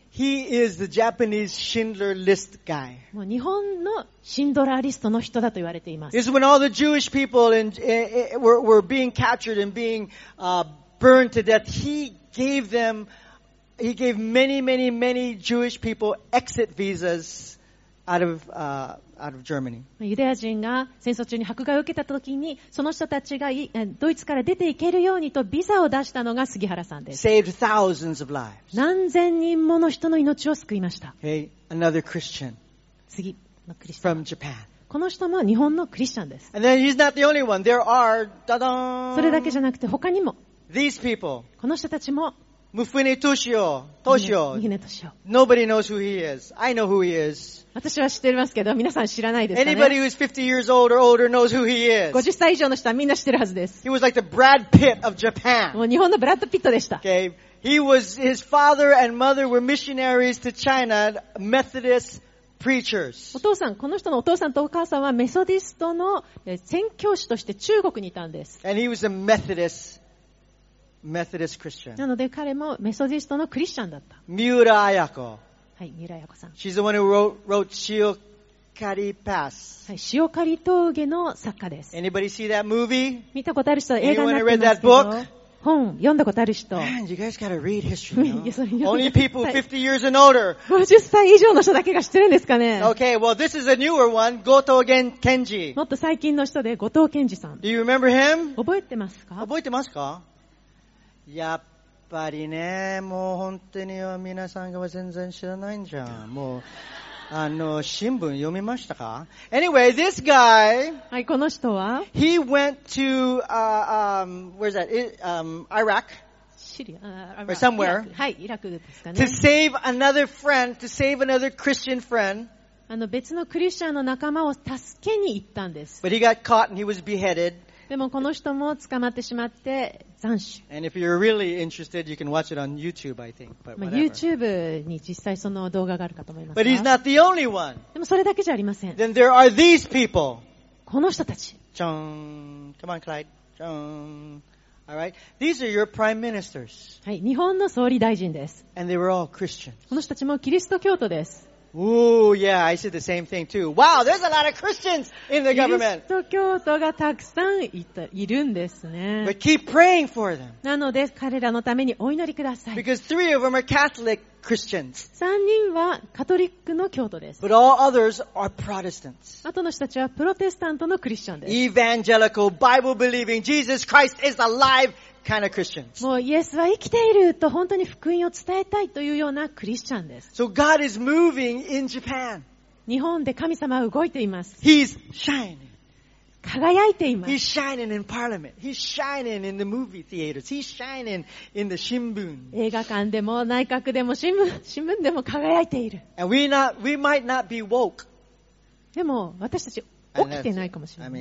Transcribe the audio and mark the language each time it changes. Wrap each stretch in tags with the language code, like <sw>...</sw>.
<en>He is the Japanese Schindler List guy.</en> <ja>もう日本のシンドラーリストの人だと言われています。</ja> <en>It's when all the Jewish people were being captured and being burned to death. He gave many, many, many Jewish people exit visas out of Germany.</en> <ja>ユダヤ人が戦争中に迫害を受けた時に、その人たちがドイツから出ていけるようにとビザを出したのが杉原さんです。</ja> <en>Saved thousands of lives.</en> <ja>何千人もの人の命を救いました。</ja> <en>Hey, another Christian.</en> <ja>次のクリスチャン。</ja> <en>From Japan.</en> <ja>この人も日本のクリスチャンです。</ja> <en>And then he's not the only one. There are, da-dun!</en> <ja>それだけじゃなくて他にも。</ja> <en>These people.</en> <ja>この人たちも。ムフネトシオ、トシオ。ムフネトシオ。</ja> <en>Nobody knows who he is. I know who he is.</en> <ja>私は知っていますけど、皆さん知らないですかね。</ja> <en>Anybody who's 50 years old or older knows who he is.</en> <ja>50歳以上の人はみんな知ってるはずです。</ja> <en>He was like the Brad Pitt of Japan.</en> <ja>もう日本のブラッド・ピットでした。</ja> <en>Okay. He was, his father and mother were missionaries to China, Methodist preachers.</en> <ja>お父さん、この人のお父さんとお母さんはメソディストの宣教師として中国にいたんです。</ja> <en>And he was a Methodist. Methodist Christian.</en> <ja>なので彼もメソディストのクリスチャンだった。三浦彩子。はい、三浦彩子さん。</ja> <en>She's the one who wrote 潮狩Pass.</en> <ja>はい、潮狩峠の作家です。</ja> <en>Anybody see that movie?</en> <ja>見たことある人、映画になってますけど。</ja> <en>Anyone read that book?</en> <ja>本読んだことある人。</ja> <en>Man, you guys gotta read history. Only people 50 years and older.</en> <ja>50歳以上の人だけが知ってるんですかね。</ja> <en>Okay, well this is a newer one.</en> <ja>後藤健二。もっと最近の人で後藤健二さん。</ja> <en>Do you remember him?</en> <ja>覚えてますか？覚えてますか？やっぱりね、もう本当に皆さんが全然知らないんじゃん。もう、新聞読みましたか ?</ja> <en>Anyway, this guy,</en> <ja>はい、この人は</ja> <en>he went to, where's that, Iraq?</en> <ja>シリア、</ja> <en>or somewhere,</en> <ja>はい、イラクですかね。</ja> <en>to save another friend, to save another Christian friend.</en> <ja>別のクリスチャンの仲間を助けに行ったんです。</ja> <en>But he got caught and he was beheaded.</en> <ja>でもこの人も捕まってしまって斬首。</ja> <en>And if you're really interested, you can watch it on YouTube, I think. But whatever.</en> <ja>YouTube に実際その動画があるかと思いますが。</ja> <en>But he's not the only one.</en> <ja>でもそれだけじゃありません。</ja> <en>Then there are these people.</en> <ja>この人たち。</ja> <en>ジョン。Come on, Clyde. ジョン。All right. These are your prime ministers.</en> <ja>はい。日本の総理大臣です。</ja> <en>And they were all Christians.</en> <ja>この人たちもキリスト教徒です。</ja> <en>Ooh, yeah, I said the same thing too. Wow, there's a lot of Christians in the government.</en> <ja>キリスト教徒がたくさんいるんですね。</ja> <en>But keep praying for them.</en> <ja>なので彼らのためにお祈りください。</ja> <en>Because three of them are Catholic Christians.</en> <ja>三人はカトリックの教徒です。</ja> <en>But all others are Protestants.</en> <ja>後の人たちはプロテスタントのクリスチャンです。</ja> <en>Evangelical, Bible believing, Jesus Christ is alive. Kind of Christians.</en> <ja>もうイエスは生きていると本当に福音を伝えたいというようなクリスチャンです。</ja> <en>So God is moving in Japan.</en> <ja>日本で神様は動いています。</ja> <en>He's shining.</en> <ja>輝いています。</ja> <en>He's shining in Parliament. He's shining in the movie theaters. He's shining in the 新聞。</en> <ja>映画館でも内閣でも新聞でも輝いている。</ja> <en>And we might not be woke.</en> <ja>でも私たち起きてないかもしれない。</ja>